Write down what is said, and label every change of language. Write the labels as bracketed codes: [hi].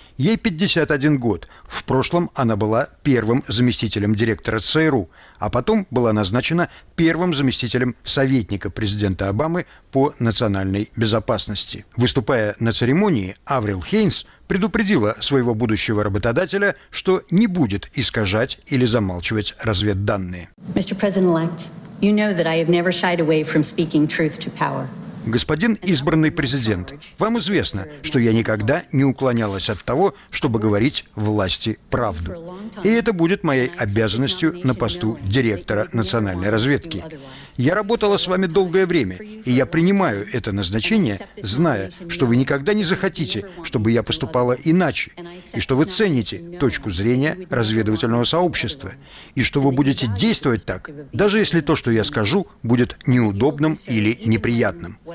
[ru] Ей 51 год. В прошлом она была первым заместителем директора ЦРУ, а потом была назначена первым заместителем советника президента Обамы по национальной безопасности. Выступая на церемонии, Аврил Хейнс предупредила своего будущего работодателя, что не будет искажать или замалчивать разведданные. [en] Mr. President-elect. You know that I have never shied away from speaking truth to power. [ru] Господин избранный президент, вам известно, что я никогда не уклонялась от того, чтобы говорить власти правду. И это будет моей обязанностью на посту директора национальной разведки. Я работала с вами долгое время, и я принимаю это назначение, зная, что вы никогда не захотите, чтобы я поступала иначе, и что вы цените точку зрения разведывательного сообщества, и что вы будете действовать так, даже если то, что я скажу, будет неудобным или неприятным.